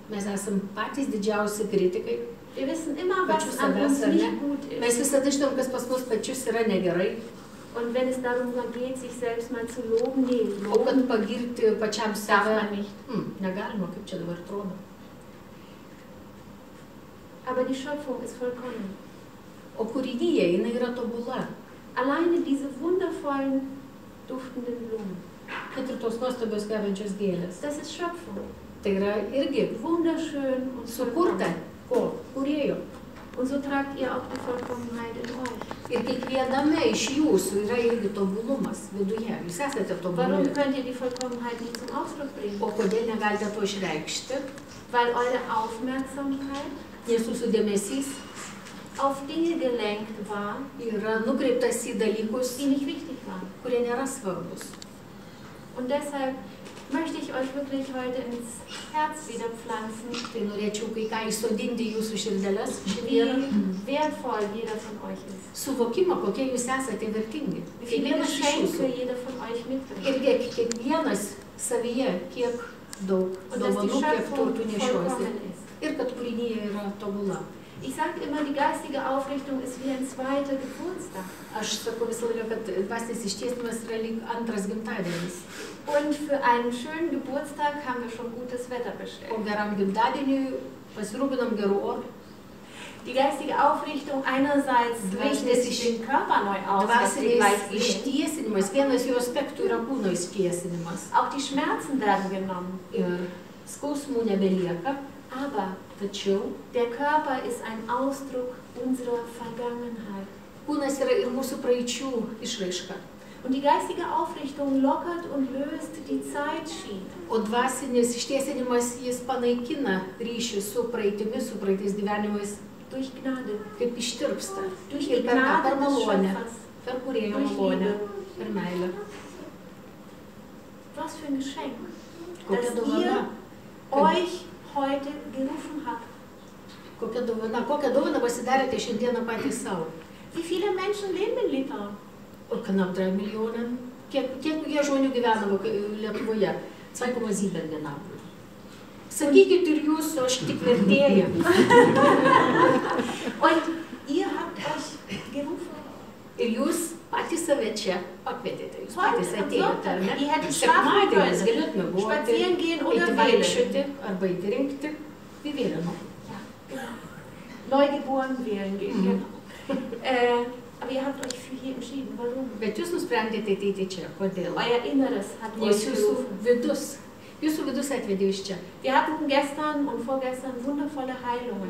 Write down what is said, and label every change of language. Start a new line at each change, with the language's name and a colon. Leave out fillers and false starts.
Lithuanian: Mes esam patys didžiausi kritikai.
German: Wir wissen immer, was an uns nicht gut ist.
Lithuanian: Mes visada žinom, kas pas mus pačius yra negerai.
German: Und wenn es darum geht, sich selbst mal zu loben, nee, loben.
Lithuanian: O kad pagirti pačiam save,
German: nicht.
Lithuanian: Negalima, kaip čia dabar atrodo.
German: Aber die Schöpfung ist vollkommen.
Lithuanian: O kūrinyje, jinai yra tobula.
German: Alleine diese wundervollen, duftenden Blumen.
Lithuanian: Kad ir tos nuostabios kvepiančios gėlės.
German: Das ist Schöpfung.
Lithuanian: Tai yra irgi.
German: Wunderschön und
Lithuanian: sukurta. Ko? Kūrėjo.
German: Und so tragt ihr auch die Vollkommenheit in euch.
Lithuanian: Ir kiekviename iš jūsų yra irgi tobulumas viduje. Jūs esate tobulumas.
German: Warum könnt ihr die Vollkommenheit nicht zum Ausdruck bringen?
Lithuanian: O kodėl negalite to išreikšti?
German: Weil eure Aufmerksamkeit
Lithuanian: nes jūsų dėmesys
German: auf Dinge gelenkt war,
Lithuanian: yra nukreiptas į dalykus,
German: die nicht wichtig waren,
Lithuanian: kurie nėra svarbus.
German: Und deshalb möchte ich euch wirklich heute ins Herz wieder pflanzen.
Lithuanian: Tai norėčiau kai ką įsodinti jūsų širdeles.
German: Wie wertvoll jeder von euch ist.
Lithuanian: Suvokimą, kokie jūs esate vertingi. Kiekvienas iš jūsų.
German: Jeder von euch mitbringt.
Lithuanian: Ir kiekvienas savyje, kiek daug dovanų, kiek turtų nešiuosi. Ir kad kūrinyje yra tobula.
German: Ich sage immer, die geistige Aufrichtung ist wie ein zweiter Geburtstag.
Lithuanian: Aš sakau visą laiką, kad dvasinis ištiesimas yra lyg antras gimtadienis.
German: Und für einen schönen Geburtstag haben wir schon gutes Wetter bestellt.
Lithuanian: O geram gimtadieniui pasirūpinom gerų orų.
German: Die geistige Aufrichtung einerseits richtet sich den Körper neu aus.
Lithuanian: Dvasinis ištiesinimas, vienas jų aspektų yra kūno ištiesinimas.
German: Auch die Schmerzen werden genommen.
Lithuanian: Ir skausmų nebelieka.
German: Aber
Lithuanian: tačiau,
German: der Körper ist ein Ausdruck unserer Vergangenheit.
Lithuanian: Kūnas yra ir mūsų praeičių išraiška.
German: Und die geistige Aufrichtung lockert und löst die Zeitschiene.
Lithuanian: O dvasinis ištiesinimas jis panaikina ryšį su praeitimi, su praeitais gyvenimais.
German: Durch Gnade.
Lithuanian: Kaip ištirpsta.
German: Durch
Lithuanian: ir per
German: Gnade
Lithuanian: per malonę. Per kūrėjo malonę. Per meilę.
German: Was für ein Geschenk.
Lithuanian: Kokia dovana.
German: Euch heute gerufen hat.
Lithuanian: Kokia dovana, kokia dovana pasidarėte šiandieną patys sau.
German: Wie viele Menschen leben in Litauen? O knapp 3 Millionen.
Lithuanian: Kiek jie žmonių gyvena Lietuvoje? 2,7 diena. Sakykit ir jūs, aš tik vertėja.
German: Und ihr habt euch gerufen.
Lithuanian: Ir jūs patys save čia pakvietėte. Jūs patys atėjote, ar ne?
German: Ihr hättet schlafen können.
Lithuanian: Sekmadienis galėtume būti.
German: Spazieren gehen oder wählen.
Lithuanian: Eiti vaikščioti arba eiti rinkti.
German: Wie wählen noch? Ja, genau. Neugeboren wählen gehen, genau. Aber ihr habt euch für hier entschieden, warum?
Lithuanian: Bet jūs nusprendėte ateiti čia, kodėl?
German: Euer Inneres hat euch gerufen.
Lithuanian: Jūsų vidus atvedė iš čia.
German: Wir hatten gestern und vorgestern wundervolle Heilungen.